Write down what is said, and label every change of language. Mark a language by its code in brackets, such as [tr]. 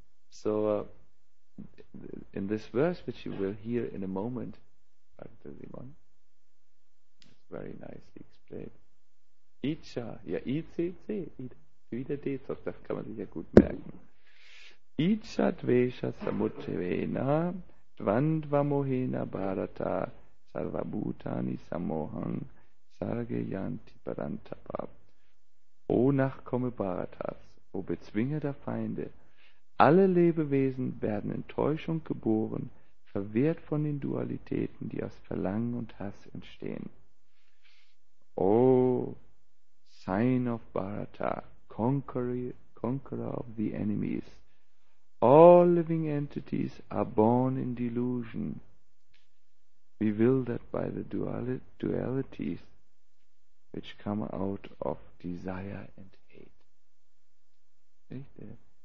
[en] So, in this verse, which you will hear in a moment, it's very nicely explained. [de] Icha, ja, I-C-C, wieder D-Zock, das kann man sich ja gut merken. [sa] Icha dvesha samuttevena dvandva mohena bharata sarvabhutani sammohang sargayanti parantapa. [de] O Nachkomme Bharatas, o Bezwinger der Feinde, alle Lebewesen werden in Täuschung geboren, verwirrt von den Dualitäten, die aus Verlangen und Hass entstehen. [en] O Son of Bharata, conqueror of the enemies, all living entities are born in delusion, bewildered by the dualities which come out of desire and hate. [de] Richtig.